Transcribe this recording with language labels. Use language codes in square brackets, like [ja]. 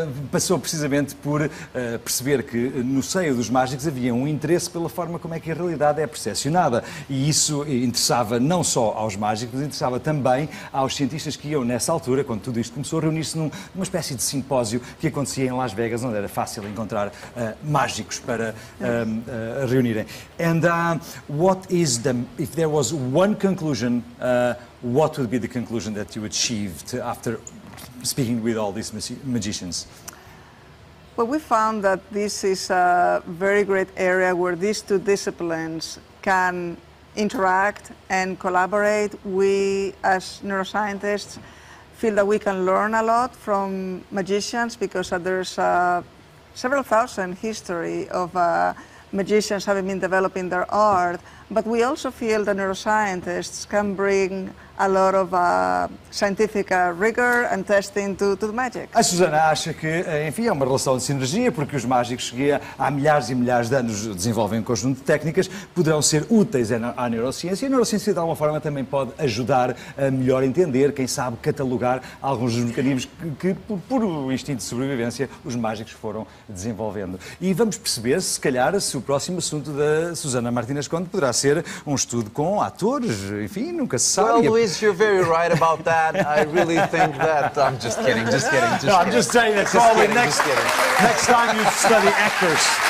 [pt] Passou precisamente por perceber que no seio dos mágicos havia um interesse pela forma como é que a realidade é percepcionada. E isso interessava não só aos mágicos, mas interessava também aos cientistas que iam, nessa altura, quando tudo isto começou, reunir-se numa espécie de simpósio que acontecia em Las Vegas, onde era fácil encontrar mágicos para reunirem. [en] And what is the... If there was one conclusion, what would be the conclusion that you achieved after speaking with all these magicians? Well, we found that this is a very great area where these two disciplines can interact and collaborate. We, as neuroscientists, feel that we can learn a lot from magicians, because there's several thousand history of magicians having been developing their art. But we also feel that neuroscientists can bring a lot of scientific rigor and testing to the magic. [pt] A Susana acha que, enfim, é uma relação de sinergia, porque os mágicos que há milhares e milhares de anos desenvolvem um conjunto de técnicas, poderão ser úteis à neurociência, e a neurociência de alguma forma também pode ajudar a melhor entender, quem sabe catalogar alguns dos mecanismos que por instinto de sobrevivência, os mágicos foram desenvolvendo. E vamos perceber, se calhar, se o próximo assunto da Susana Martínez Conde poderá ser um estudo com atores, enfim, nunca se sabe. [en] Well, Luis, you're very right about that. I really think that. I'm just kidding, just kidding. Just no, kidding. I'm just saying that, Colin, next time you study actors.